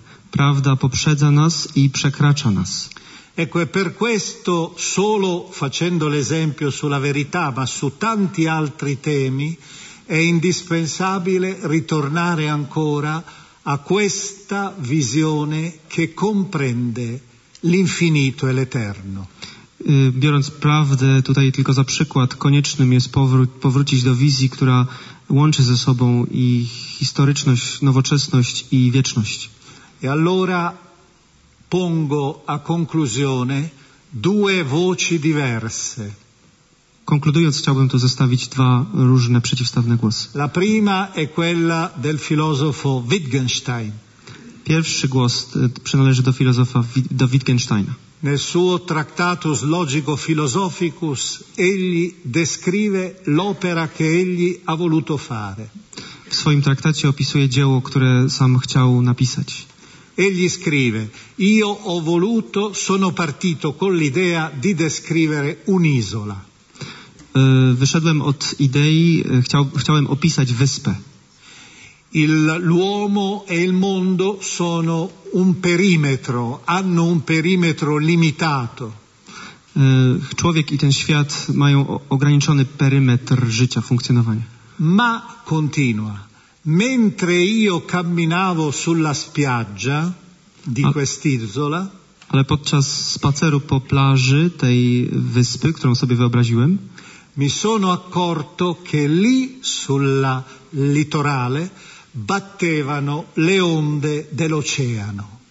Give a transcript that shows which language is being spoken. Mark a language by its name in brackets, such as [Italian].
[Polish] Prawda poprzedza nas i przekracza nas. [Italian] Ecco, è per questo, solo facendo l'esempio sulla verità, ma su tanti altri temi, è indispensabile ritornare ancora a questa visione che comprende l'infinito e l'eterno. [Polish] Biorąc prawdę tutaj tylko za przykład, koniecznym jest powrócić do wizji, która łączy ze sobą i historyczność, nowoczesność i wieczność. [Italian] E allora pongo a conclusione due voci diverse. [Polish] Konkludując, chciałbym tu zestawić dwa różne przeciwstawne głosy. [Italian] La prima è quella del filosofo Wittgenstein. [Polish] Pierwszy głos przynależy do filozofa Wittgensteina. [Italian] Nel suo Tractatus Logico Philosophicus egli descrive l'opera che egli ha voluto fare. [Polish] W swoim traktacie opisuje dzieło, które sam chciał napisać. [Italian] Egli scrive: io ho voluto, sono partito con l'idea di descrivere un'isola. [Polish] Wyszedłem od idei, chciałem opisać wyspę. [Italian] L'uomo e il mondo sono un perimetro, hanno un perimetro limitato. [Polish] Człowiek i ten świat mają ograniczony perymetr życia, funkcjonowania. [Italian] ma continua, mentre io camminavo sulla spiaggia di quest'isola, [Polish] ale podczas spaceru po plaży tej wyspy, którą sobie wyobraziłem, [Italian] mi sono accorto che lì sulla litorale battevano le onde dell'oceano.